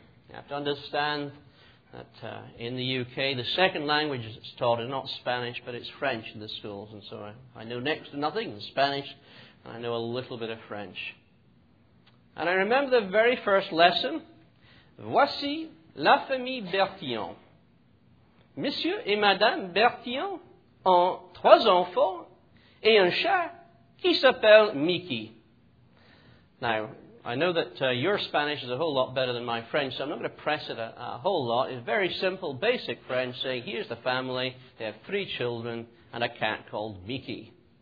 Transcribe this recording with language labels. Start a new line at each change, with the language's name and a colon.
English: You have to understand that in the UK, the second language that's taught is not Spanish, but it's French in the schools. And so I know next to nothing in Spanish, and I know a little bit of French. And I remember the very first lesson.
French: Voici la famille Bertillon. Monsieur et Madame Bertillon ont trois enfants et un chat qui s'appelle Mickey.
English: Now, I know that your Spanish is a whole lot better than my French, so I'm not going to press it a whole lot. It's very simple, basic French, saying, here's the family, they have three children and a cat called Mickey.